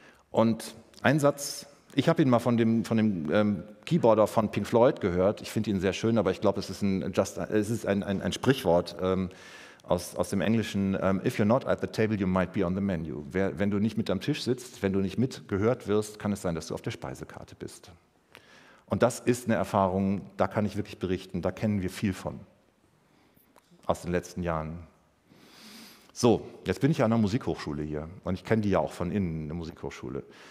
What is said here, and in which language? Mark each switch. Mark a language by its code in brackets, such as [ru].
[de] Und ein Satz. Ich habe ihn mal von dem Keyboarder von Pink Floyd gehört. Ich finde ihn sehr schön, aber ich glaube, es ist ein Sprichwort aus dem Englischen. [en] If you're not at the table, you might be on the menu. [de] Wenn du nicht mit am Tisch sitzt, wenn du nicht mitgehört wirst, kann es sein, dass du auf der Speisekarte bist. Und das ist eine Erfahrung, da kann ich wirklich berichten, da kennen wir viel von aus den letzten Jahren. So, jetzt bin ich an der Musikhochschule hier und ich kenne die ja auch von innen, eine Musikhochschule.